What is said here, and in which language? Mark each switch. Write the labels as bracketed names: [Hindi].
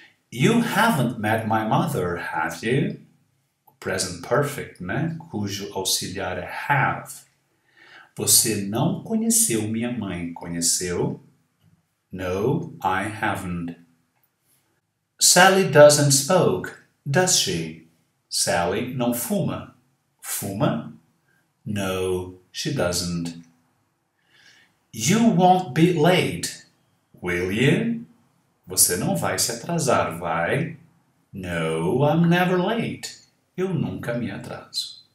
[English] You haven't met my mother, have you? [Portuguese] Present perfect, né? Cujo auxiliar é have. Você não conheceu minha mãe, conheceu? [English] No, I haven't. Sally doesn't smoke, does she? [Portuguese] Sally não fuma. Fuma? [English] No, she doesn't. You won't be late, will you? [Portuguese] Você não vai se atrasar, vai? [English] No, I'm never late. [Portuguese] Eu nunca me atraso.